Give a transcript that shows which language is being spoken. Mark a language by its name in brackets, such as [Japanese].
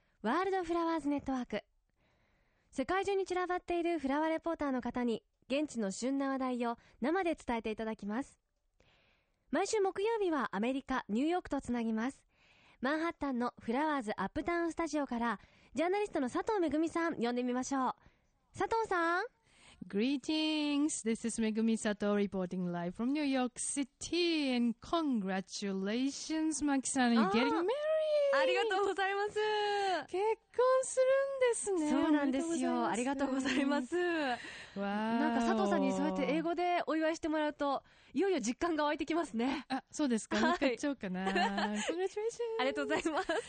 [Japanese] ワールドフラワーズネットワーク。世界中に散らばっているフラワーレポーターの方に現地の旬な話題を生で伝えていただきます。毎週木曜日はアメリカ、ニューヨークとつなぎます。マンハッタンのフラワーズアップタウンスタジオからジャーナリストの佐藤めぐみさん呼んでみましょう。佐藤さん。 [English] Greetings, this is Megumi Sato reporting live from New York City and congratulations, Maki-san, you're getting married! [Japanese] ありがとうございます。結婚するんですね。そうなんですよ。ありがとうございます。わー、なんか佐藤さんにそうやって英語でお祝いしてもらうといよいよ実感が湧いてきますね。あ、そうですか。もう一回言っちゃおうかな。 [English] Congratulations! [Japanese] ありがとうございます。